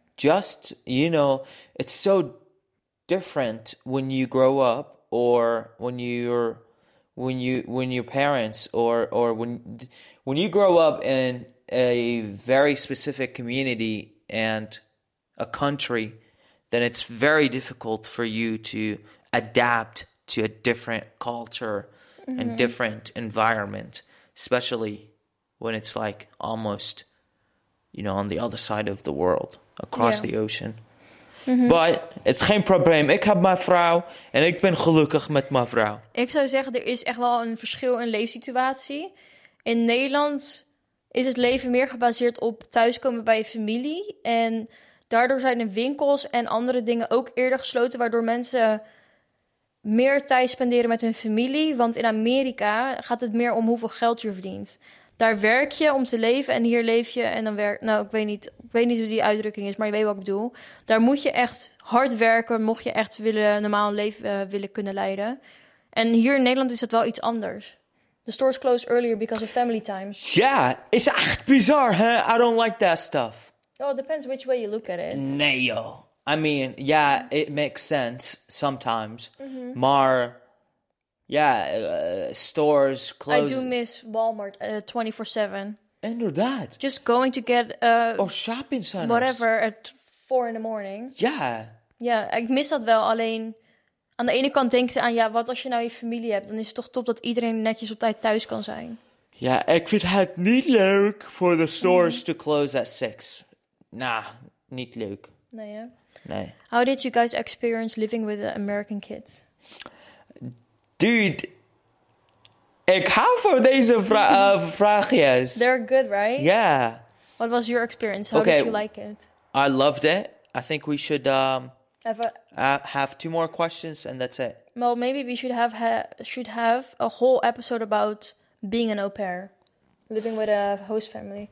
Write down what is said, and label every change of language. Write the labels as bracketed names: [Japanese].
[English] Just, you know, it's so different when you grow up or when you grow up in a very specific community and a country, then it's very difficult for you to adapt to a different culture mm-hmm. and different environment, especially when it's like almost you know, on the other side of the world, across the ocean. Mm-hmm. But it's [Dutch] geen probleem. Ik heb mijn vrouw en ik ben gelukkig met mijn vrouw. Ik zou zeggen, er is echt wel een verschil in leefsituatie. In Nederland is het leven meer gebaseerd op thuiskomen bij je familie. En daardoor zijn de winkels en andere dingen ook eerder gesloten, waardoor mensen meer tijd spenderen met hun familie. Want in Amerika gaat het meer om hoeveel geld je verdient. Daar werk je om te leven en hier leef je en dan werk... Nou, ik weet niet hoe die uitdrukking is, maar je weet wat ik bedoel. Daar moet je echt hard werken, mocht je echt willen normaal een leven willen kunnen leiden. En hier in Nederland is dat wel iets anders. [English] The stores closed earlier because of family times. Ja, yeah, [Dutch] is echt bizar, hè? [English] Huh? I don't like that stuff. Oh, it depends which way you look at it. [Dutch] Nee, joh. [English] I mean, yeah, it makes sense sometimes. Mm-hmm. Maar... Yeah, stores closed. I do miss Walmart 24/7. [Dutch] Inderdaad. [English] Just going to get... Or shopping centers. Whatever, at 4 a.m. Yeah. [Dutch] Ja, ik mis dat wel. Alleen, aan de ene kant denk je aan... Ja, wat als je nou je familie hebt? Dan is het toch top dat iedereen netjes op tijd thuis kan zijn. Ja, ik vind het niet leuk voor de [English] stores to close at 6. [Dutch] Nah, niet leuk. Nee, hè? Nee. [English] How did you guys experience living with an American kid? [Dutch] Dude, ik hou van deze vraagjes. [English] They're good, right? Yeah. What was your experience? How did you like it? I loved it. I think we should have two more questions and that's it. Well, maybe we should have should have a whole episode about being an au pair, living with a host family.